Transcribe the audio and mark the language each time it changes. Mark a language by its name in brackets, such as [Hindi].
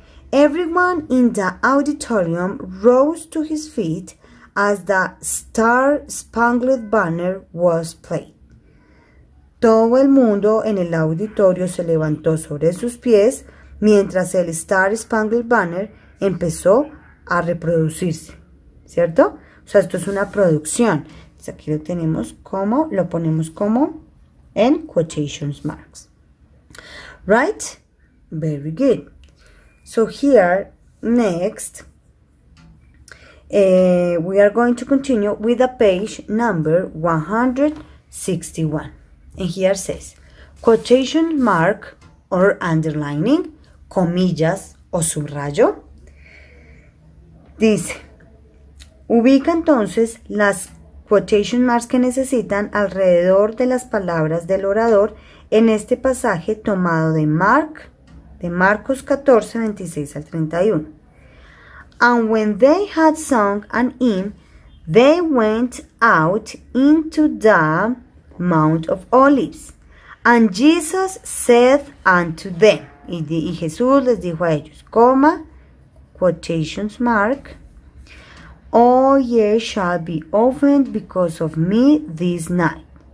[English] Everyone in the auditorium rose to his feet as the Star-Spangled Banner was played. [Spanish] Todo el mundo en el auditorio se levantó sobre sus pies mientras el Star-Spangled Banner empezó a reproducirse, ¿cierto? O sea, esto es una producción. Entonces aquí lo ponemos como [English] and quotation marks. Right? Very good. So here, next, we are going to continue with the page number 161. And here says, quotation mark or underlining, [Spanish] comillas o subrayo. Dice, ubica entonces las quotation marks que necesitan alrededor de las palabras del orador en este pasaje tomado de Marcos 14, 26 al 31. [English] And when they had sung an hymn, they went out into the Mount of Olives. And Jesus said unto them, [Spanish] y Jesús les dijo a ellos, [English] coma, quotations mark, all ye shall be opened because of me this night.